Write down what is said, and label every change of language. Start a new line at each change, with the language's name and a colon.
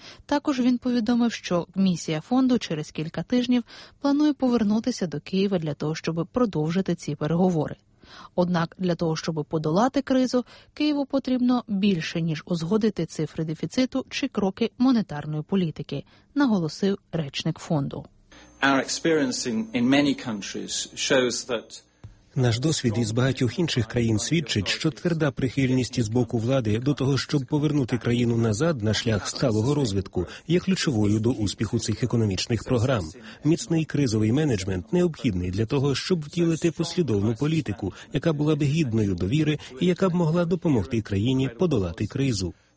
Ukrainian: Також він повідомив, що місія фонду через кілька тижнів планує повернутися до Києва для того, щоб продовжити ці переговори. Однак для того, щоб подолати кризу, Києву потрібно більше, ніж узгодити цифри дефіциту чи кроки монетарної політики, наголосив речник фонду.
English: Our experience in many countries shows that...
Ukrainian: Наш досвід із багатьох інших країн свідчить, що тверда прихильність із боку влади до того, щоб повернути країну назад на шлях сталого розвитку, є ключовою до успіху цих економічних програм. Міцний кризовий менеджмент необхідний для того, щоб втілити послідовну політику, яка була б гідною довіри і яка б могла допомогти країні подолати кризу.